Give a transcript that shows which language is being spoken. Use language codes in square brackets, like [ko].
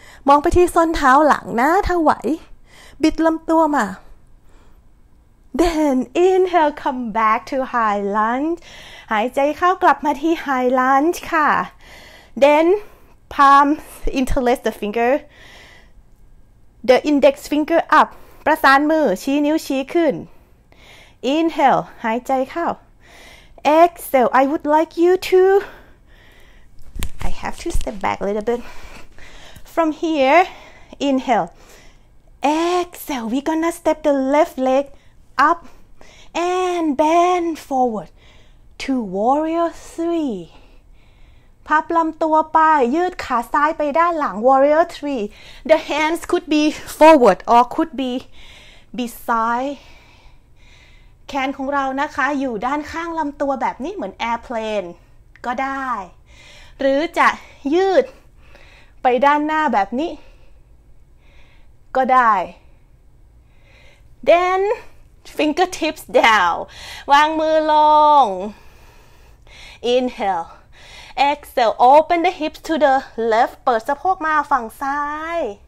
[th] มองไปที่ส้นเท้าหลังนะถ้าไหวบิดลำตัวมา [en] Then inhale, come back to high lunge. [th] หายใจเข้ากลับมาที่ high lunge ค่ะ [en] Then palm interlace the finger. The index finger up. [th] ประสานมือชี้นิ้วชี้ขึ้น [en] Inhale. [th] หายใจเข้า [en] Exhale, I would like you to, I have to step back a little bit. From here, inhale. Exhale, we're gonna step the left leg up and bend forward to warrior three. [th] พับลำตัวไปยืดขาซ้ายไปด้านหลัง warrior three. [en] The hands could be forward or could be beside. [th] แขนของเรานะคะอยู่ด้านข้างลำตัวแบบนี้เหมือนแอร์เพลนก็ได้หรือจะยืดไปด้านหน้าแบบนี้ก็ได้ [en] Then fingertips down [th] วางมือลง [en] Inhale Exhale Open the hips to the left [th] เปิดสะโพกมาฝั่งซ้าย